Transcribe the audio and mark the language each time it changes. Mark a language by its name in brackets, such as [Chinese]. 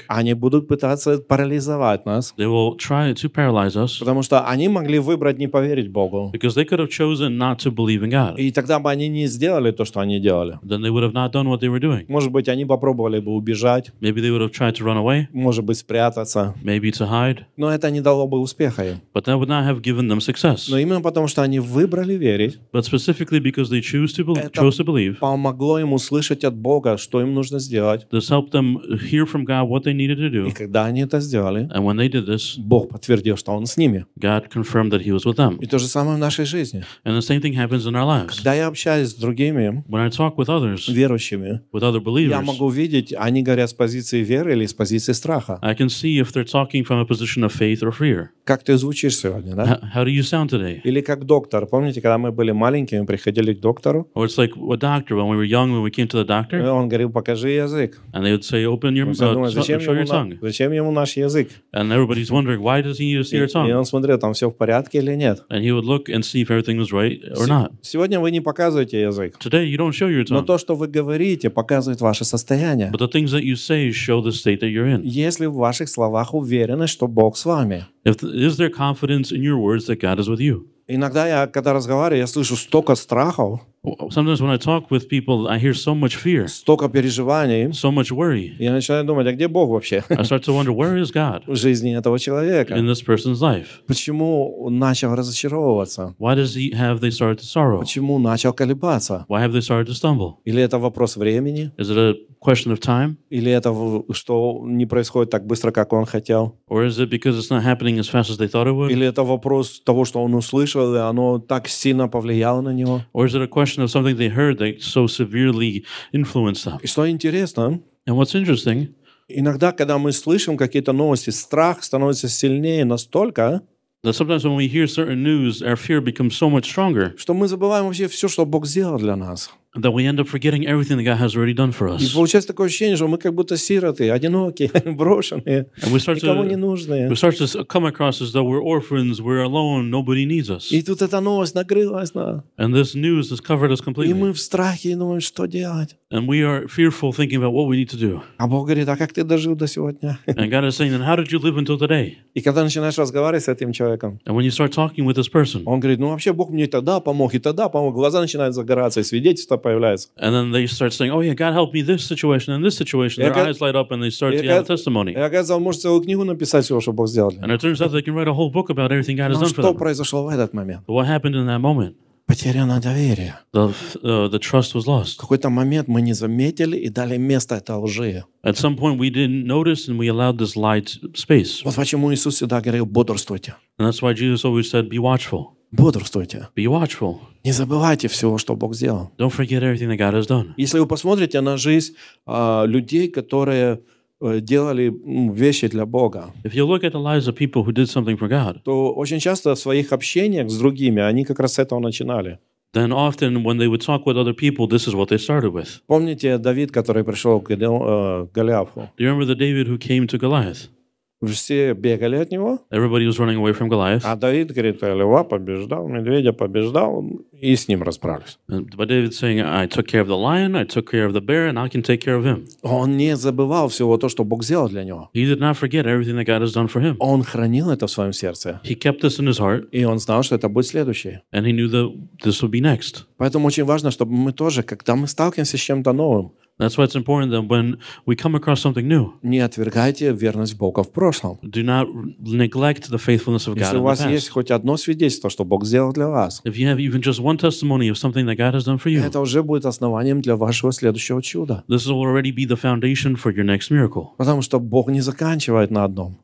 [Russian] Они будут пытаться парализовать нас. [English] They will try to paralyze us. [Russian] Потому что они могли выбрать не поверить Богу. [English] Because they could have chosen not to believe in God. [Russian] И тогда бы они не сделали то, что они делали. [English] Then they would have not done what they were doing. [Russian] Может быть, они попробовали бы убежать. [English] Maybe they would have tried to run away. [Russian] Может быть, спрятаться. [English] Maybe to hide. [Russian] Но это не дало бы успеха им. [English] But that would not have given them success. [Russian] Но именно потому, что они выбрали верить. [English] But specifically because they chose to believe. [Russian] Это помогло им услышать от Бога, что им нужно сделать. [English] This helped them hear from God what they needed to do. [Russian] И когда они это сделали, [English] and when they did this, [Russian] Бог подтвердил, что Он с ними. [English] God confirmed that He was with them. [Russian] И то же самое в нашей жизни. [English] And the same thing happens in our lives. [Russian] Когда я общаюсь с другими, [English] when I talk with others, [Russian] верующими, [English] with other believers, [Russian] я могу видеть, они говорят с позиции веры или с позиции страха. [English] I can see if they're talking from a position of faith or fear. [Russian] Как ты звучишь сегодня, да? [English] How do you sound today? [Russian] Или как доктор. Помните, когда мы были маленькими, приходили к доктору? [English] Or it's like a doctor. When we were young, when we came to the doctor, [Russian] он говорил, покажи язык. [English] And they would say, "Open your tongue." [Russian] Зачем ему наш язык? [English] And everybody's wondering, why does he need to see your tongue? [Russian] И он смотрел, там все в порядке или нет? [English] And he would look and see if everything was right or not. [Russian] Сегодня вы не показываете язык. [English] Today you don't show your tongue. [Russian] Но то, что вы говорите, показывает ваше состояние. [English] But the things that you say show the state that you're in. [Russian] Если в ваших словах уверенность, что Бог с вами. [English] Is there confidence in your words that God is with you? [Russian] Иногда я, когда разговариваю, я слышу столько страхов. [English] Sometimes when I talk with people, I hear so much fear. [Russian] Столько переживаний. [English] So much worry. [Russian] Я начинаю думать, а где Бог вообще? [English] I start to wonder, where is God? [Russian] В жизни этого человека. [English] In this person's life. [Russian] Почему он начал разочаровываться? [English] Why does he have they started to sorrow? [Russian] Почему начал колебаться? [English] Why have they started to stumble? [Russian] Или это вопрос времени? [English] Is it a question of time? [Russian] Или это что не происходит так быстро, как он хотел? [English] Or is it because it's not happening as fast as they thought it would? [Russian] Или это вопрос того, что он услышал, и оно так сильно повлияло на него? [English] Or is it a question of something they heard that so severely influenced them? [Russian] И что интересно? [English] And what's interesting? [Russian] Иногда, когда мы слышим какие-то новости, страх становится сильнее настолько, [English] that sometimes when we hear certain news, our fear becomes so much stronger, [Russian] что мы забываем вообще все, что Бог сделал для нас. [English] That we end up forgetting everything that God has already done for us. [Russian] И получается такое ощущение, что мы как будто сироты, одинокие, брошенные, никому не нужные. [English] We start to come across as though we're orphans, we're alone, nobody needs us. [Russian] И тут эта новость накрылась нас. [English] And this news has covered us completely. [Russian] И мы в страхе, думаем, что делать. [English] And we are fearful, thinking about what we need to do. [Russian] А Бог говорит, а как ты дожил до сегодня? [English] And God is saying, and how did you live until today? [Russian] И когда начинаешь разговаривать с этим человеком, [English] and when you start talking with this person, [Russian] он говорит, ну вообще Бог мне тогда помог, и тогда помог. Глаза начинают загораться, и свидетельство появляется. [English] And then they start saying, oh yeah, God helped me this situation and this situation. Their eyes light up and they start to have a testimony. [Russian] И оказывается, он может целую книгу написать всего, что Бог сделал. [English] And it turns out they can write a whole book about everything God has done for them. [Russian] Но что произошло в этот момент? [English] But what happened in that moment? [Russian] Потеряно доверие. [English] The trust was lost. [Russian] В какой-то момент мы не заметили и дали место этой лжи. [English] At some point we didn't notice and we allowed this lie space. [Russian] Вот почему Иисус всегда говорил, бодрствуйте. [English] And that's why Jesus always said, be watchful. [Russian] Бодрствуйте. [English] Be watchful. [Russian] Не забывайте всего, что Бог сделал. [English] Don't forget everything that God has done. [Russian] Если вы посмотрите на жизнь людей, которые делали вещи для Бога. [English] If you look at the lives of people who did something for God, [Russian] то очень часто в своих общениях с другими они как раз с этого начинали. [English] Then often when they would talk with other people, this is what they started with. [Russian] Помните Давид, который пришел к Голиафу? [English] Do you remember the David who came to Goliath? [Russian] Все бегали от него. [English] Everybody was running away from Goliath. [Russian] А Давид говорит, льва побеждал, медведя побеждал, и с ним расправились. [English] But David's saying, I took care of the lion, I took care of the bear, and I can take care of him. [Russian] Он не забывал всего то, что Бог сделал для него. [English] He did not forget everything that God has done for him. [Russian] Он хранил это в своем сердце. [English] He kept this in his heart. [Russian] И он знал, что это будет следующее. [English] And he knew that this would be next. [Russian] Поэтому очень важно, чтобы мы тоже, когда мы сталкиваемся с чем-то новым, [English] that's why it's important that when we come across something new, [Russian] не отвергайте верность Бога в прошлом. [English] Do not neglect the faithfulness of God in the past. [Russian] Если у вас есть хоть одно свидетельство, что Бог сделал для вас, [English] if you have even just one testimony of something that God has done for you, [Russian] это уже будет основанием для вашего следующего чуда. [English] This will already be the foundation for your next miracle. [Russian] Потому что Бог не заканчивает на одном.